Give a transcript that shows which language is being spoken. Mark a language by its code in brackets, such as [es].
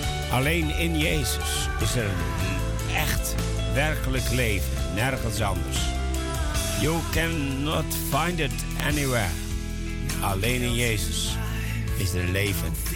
[nl] Alleen in Jezus is er een echt werkelijk leven, nergens anders. [en] You cannot find it anywhere. [nl] Alleen in Jezus is er een leven.